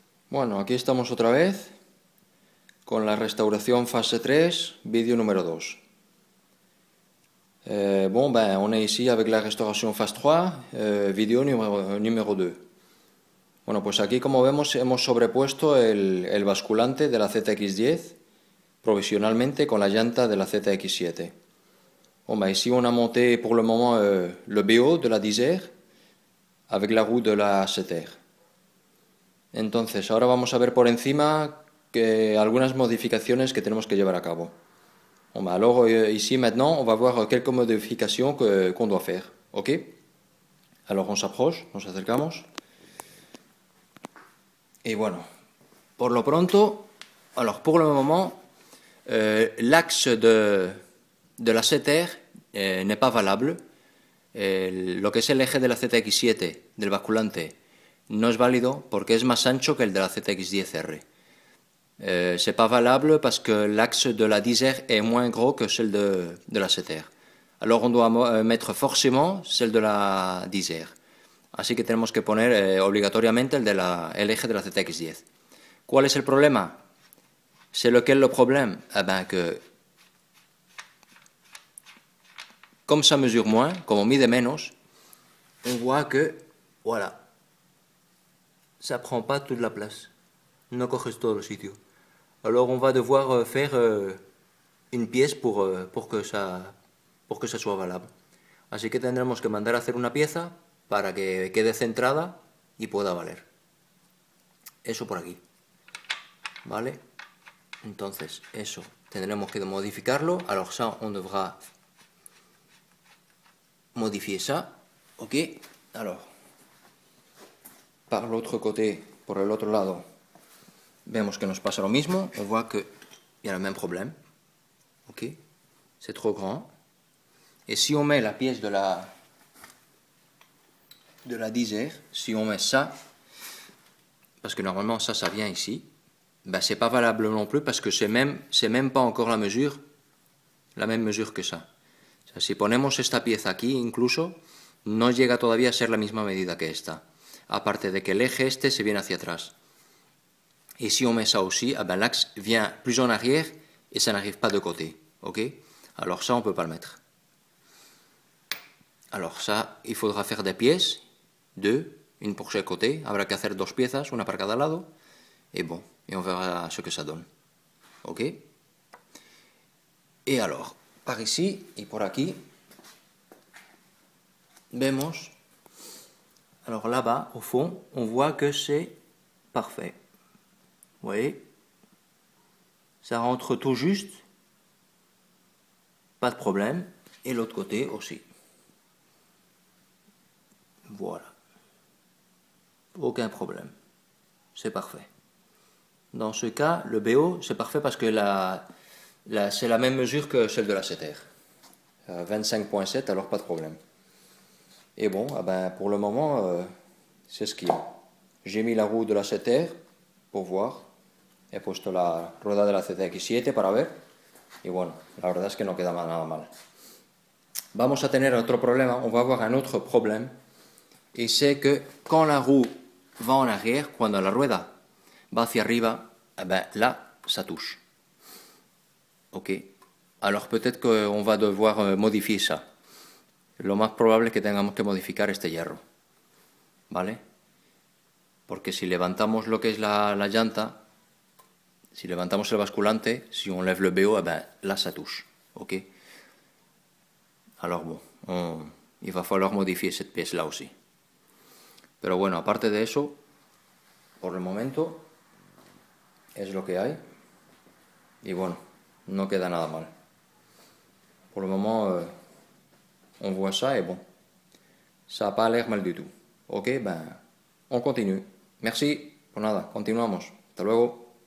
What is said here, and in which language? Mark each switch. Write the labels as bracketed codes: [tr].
[es] Bueno, aquí estamos otra vez con la restauración fase 3, vídeo número 2. [fr] On est ici avec la restauration phase 3, vídeo número 2. [es] Bueno, pues aquí como vemos hemos sobrepuesto el basculante de la ZX10 provisionalmente con la llanta de la ZX7. [fr] Bon, ben, ici on a monté pour le moment le BO de la 10R avec la roue de la 7R. [es] Entonces, ahora vamos a ver por encima algunas modificaciones que tenemos que llevar a cabo. [fr] Bueno, alors, ici maintenant, on va voir quelques modifications qu'on doit faire. OK? Alors, on s'approche, [es] nos acercamos. Y bueno, por lo pronto, [fr] alors, pour le moment, l'axe de la CTR n'est pas valable. [es] Lo que es el eje de la ZX7, del basculante, no es válido porque es más ancho que el de la ZX10R. [fr] C'est pas valable parce que l'axe de la 10R est moins gros que celle de la 7R. Alors on doit mettre forcément celle de la 10R. [es] Así que tenemos que poner obligatoriamente el eje de la ZX10. ¿Cuál es el problema? [fr] C'est lequel le problème? Eh bien que, comme ça mesure moins, [es] como mide menos, [fr] on voit que, voilà, ça prend pas toute la place. [es] No coges todo el sitio. [fr] Alors on va devoir faire une pièce pour que ça soit valable. [es] Así que tendremos que mandar a hacer una pieza para que quede centrada y pueda valer. Eso por aquí. ¿Vale? Entonces, eso tendremos que modificarlo. [fr] Alors ça on devra modifier ça. OK? Alors par l'autre côté, [es] por el otro lado. Vemos que nos pasa lo mismo. [fr] On voit que y a le même problème. OK. C'est trop grand. Et si on met la pièce de la 10R, si on met ça, parce que normalement ça vient ici, ben c'est pas valable non plus parce que c'est même pas encore la même mesure que ça. [es] O sea, si ponemos esta pieza aquí incluso, no llega todavía a ser la misma medida que esta. Aparte de que el eje este se viene hacia atrás. [fr] Y si on met ça aussi, eh ben l'axe vient plus en arrière et ça n'arrive pas de côté. OK? Alors ça, on ne peut pas le mettre. Alors ça, il faudra faire des pièces, deux, une pour chaque côté. Habrá que hacer dos piezas, una para cada lado. Et bon, et on verra ce que ça donne. OK? Et alors, par ici et [es] por aquí, vemos. [fr] Alors là-bas, au fond, on voit que c'est parfait. Vous voyez, ça rentre tout juste, pas de problème, et l'autre côté aussi. Voilà, aucun problème, c'est parfait. Dans ce cas, le BO, c'est parfait parce que c'est la même mesure que celle de la 7R. 25.7, alors pas de problème. Et bon, eh ben, pour le moment, c'est ce qu'il y a. J'ai mis la roue de la 7R pour voir. [es] He puesto la rueda de la ZX7 para ver. Y bueno, la verdad es que no queda nada mal. Vamos a tener otro problema. [fr] On va avoir un autre problème. Y c'est que quand la roue va en arrière, [es] cuando la rueda va hacia arriba, [fr] eh ben, là, ça touche. OK. Alors peut-être qu'on va devoir modifier ça. [es] Lo más probable es que tengamos que modificar este hierro. ¿Vale? Porque si levantamos lo que es la llanta, si levantamos el basculante, [fr] si on lève le BO, eh ben, là ça touche. [es] OK? [fr] Alors bon, il va falloir modifier cette pièce là aussi. [es] Pero bueno, aparte de eso, por el momento, es lo que hay. Y bueno, no queda nada mal. Por el momento, [fr] on voit ça et bon. Ça n'a pas l'air mal du tout. OK? Ben, on continue. Merci. [es] Pues nada, continuamos. Hasta luego.